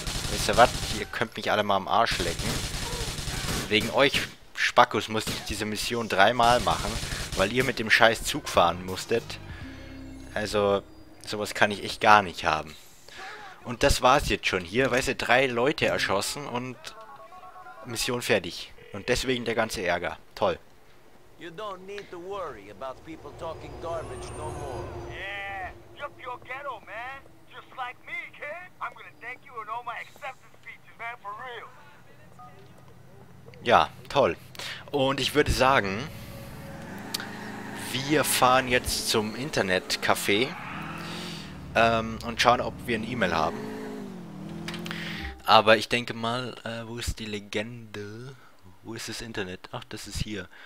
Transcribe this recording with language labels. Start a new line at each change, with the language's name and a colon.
German: Wisst ihr was? Ihr könnt mich alle mal am Arsch lecken. Wegen euch, Spackus, musste ich diese Mission dreimal machen, weil ihr mit dem scheiß Zug fahren musstet. Also, sowas kann ich echt gar nicht haben. Und das war's jetzt schon hier. Weißt du, drei Leute erschossen und Mission fertig. Und deswegen der ganze Ärger. Toll.
English: You don't need to worry about people talking garbage no more. Yeah, you're pure ghetto, man. Just like me, kid. I'm gonna thank you in all my acceptance speeches, man, for real.
German: Ja, toll. Und ich würde sagen, wir fahren jetzt zum Internetcafé und schauen, ob wir eine E-Mail haben. Aber ich denke mal, wo ist die Legende? Wo ist das Internet? Ach, das ist hier.